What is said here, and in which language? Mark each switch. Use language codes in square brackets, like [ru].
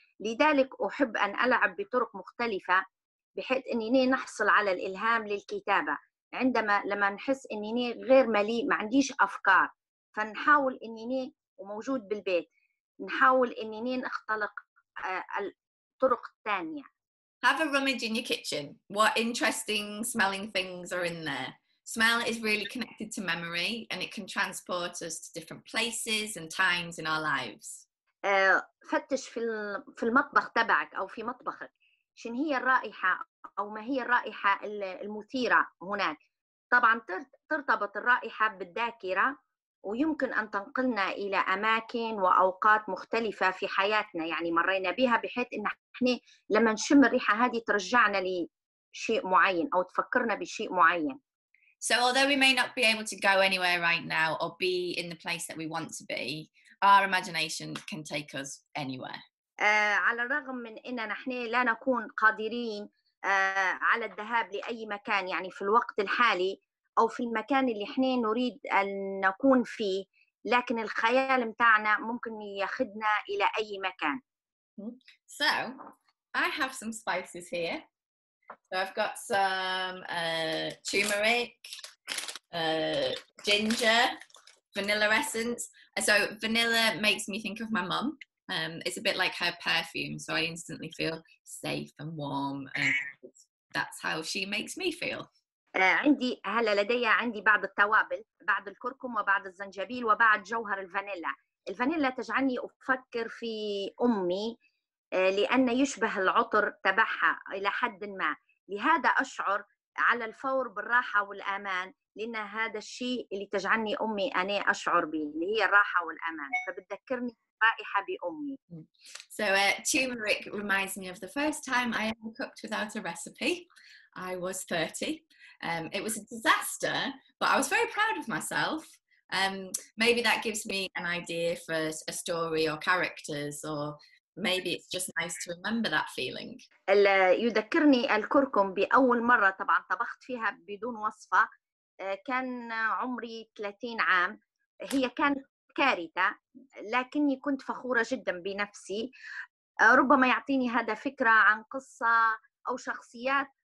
[ar] لذلك أحب أن ألعب بطرق مختلفة بحيث أنني نحصل على الإلهام للكتابة. لما نحس أنني غير مليء ما عنديش أفكار فنحاول أنني وموجود بالبيت نحاول أنني نختلق الطرق الثانية. [en] Have a rummage in your kitchen. What interesting smelling things are in there? Smell is really connected to memory and it can transport us to different places and times in our lives. [ar] فتش في المطبخ تبعك أو في مطبخك. شن هي الرائحة أو ما هي الرائحة المثيرة هناك؟ طبعاً ترتبط الرائحة بالذاكرة ويمكن أن تنقلنا إلى أماكن وأوقات مختلفة في حياتنا يعني مرينا بها بحيث إن إحنا لما نشم الريحة هذه ترجعنا لشيء معين أو تفكرنا بشيء معين. [en] So although we may not be able to go anywhere right now or be in the place that we want to be, our imagination can take us anywhere. [ar] على الرغم من إننا إحنا لا نكون قادرين على الذهاب لأي مكان يعني في الوقت الحالي. أو في المكان اللي إحنا نريد أن نكون فيه لكن الخيال متاعنا ممكن يأخذنا إلى أي مكان [en] So, I have some spices here So I've got some turmeric, ginger, vanilla essence So vanilla makes me think of my mum It's a bit like her perfume So I instantly feel safe and warm and That's how she makes me feel [ar] عندي هلا لدي عندي بعض التوابل بعض الكركم وبعض الزنجبيل وبعض جوهر الفانيلا الفانيلا تجعلني أفكر في أمي لأن يشبه العطر تبعها إلى حد ما لهذا أشعر على الفور بالراحة والأمان لأن هذا الشيء اللي تجعلني أمي أنا أشعر به اللي هي الراحة والأمان فبتذكرني رائحة بأمي [en] So turmeric reminds me of the first time I ever cooked without a recipe I was 30 it was a disaster, but I was very proud of myself. Maybe that gives me an idea for a story or characters, or maybe it's just nice to remember that feeling. [ar] يذكرني الكركم بأول مرة طبعاً طبخت فيها بدون وصفة. كان عمري 30 عام. هي كانت كارثة، لكني كنت فخورة جداً بنفسي. ربما يعطيني هذا فكرة عن قصة أو شخصيات.